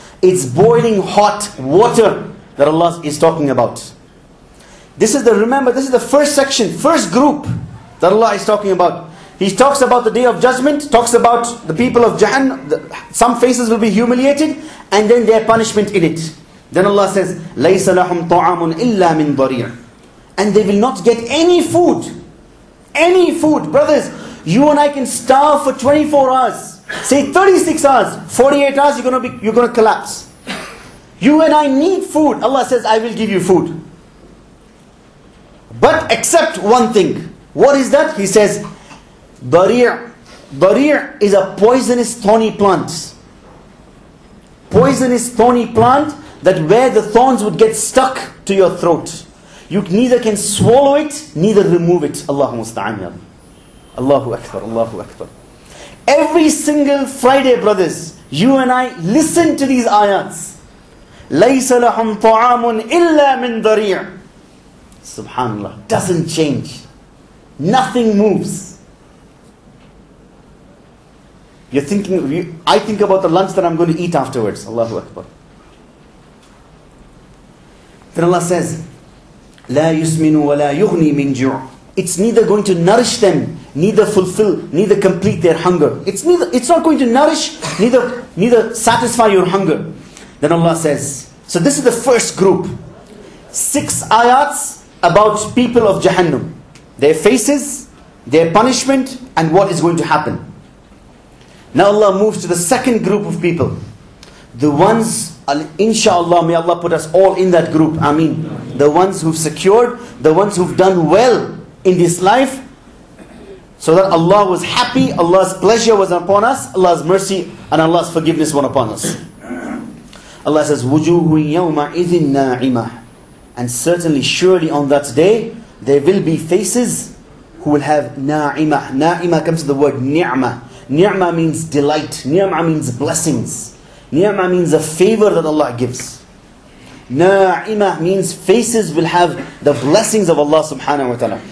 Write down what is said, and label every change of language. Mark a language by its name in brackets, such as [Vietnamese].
[English] It's boiling hot water that Allah is talking about. This is the first section, first group that Allah is talking about. He talks about the Day of Judgment, talks about the people of Jahannam, some faces will be humiliated, and then their punishment in it. Then Allah says, [Arabic] لَيْسَ لَهُمْ طَعَامٌ إِلَّا مِنْ ضَرِيرٍ. [English] And they will not get any food. Any food. Brothers, you and I can starve for 24 hours. Say 36 hours, 48 hours, you're gonna collapse. You and I need food. Allah says, I will give you food. But accept one thing. What is that? He says, Dari' is a poisonous thorny plant. Poisonous thorny plant that where the thorns would get stuck to your throat. You neither can swallow it, neither remove it. Allahu musta'an. Allahu Akbar, Allahu Akbar. Every single Friday, brothers, you and I listen to these ayats. [Arabic] لَيْسَ لَهُمْ طَعَامٌ إِلَّا مِنْ ضَرِيعٍ. [English] Subhanallah. Doesn't change. Nothing moves. You're thinking, I think about the lunch that I'm going to eat afterwards. Allahu Akbar. Then Allah says, [Arabic] لَا يُسْمِنُ وَلَا يُغْنِي مِنْ جُعْ. [English] It's neither going to nourish them, neither fulfill, neither complete their hunger. It's not going to nourish, neither satisfy your hunger. Then Allah says, so this is the first group. Six ayats about people of Jahannam. Their faces, their punishment, and what is going to happen. Now Allah moves to the second group of people. The ones, inshallah, may Allah put us all in that group. Ameen. The ones who've secured, the ones who've done well in this life, so that Allah was happy, Allah's pleasure was upon us, Allah's mercy and Allah's forgiveness were upon us. Allah says, [Arabic] وَجُوهٌ يَوْمَئِذٍ نَاعِمَةٌ. [English] And certainly, surely on that day, there will be faces who will have na'imah. Na'imah comes to the word ni'mah. Ni'mah means delight. Ni'mah means blessings. Ni'mah means a favor that Allah gives. Na'imah means faces will have the blessings of Allah subhanahu wa ta'ala.